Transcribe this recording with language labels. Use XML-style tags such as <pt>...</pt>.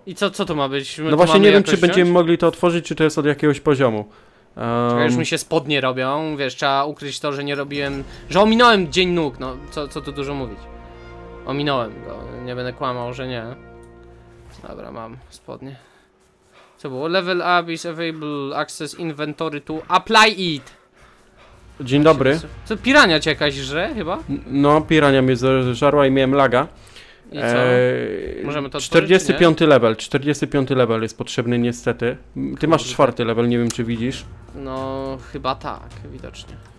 <pl>I co to ma być? No właśnie nie wiem, czy będziemy mogli to otworzyć, czy to jest od jakiegoś poziomu. Już mi się spodnie robią, wiesz, trzeba ukryć to, że nie robiłem, że ominąłem dzień nóg, no, co tu dużo mówić. Ominąłem go, nie będę kłamał, że nie. Dobra, mam spodnie. Co było?</pl> <en>Level up is available, access inventory to apply it.</en> <pl>Dzień dobry. Co, pirania cię jakaś żre chyba? No, pirania mnie żarła i miałem laga. I co? Możemy to otworzyć, 45 nie? level, 45 level jest potrzebny niestety. Ty masz czwarty level, nie wiem czy widzisz. No, chyba tak, widocznie.</pl>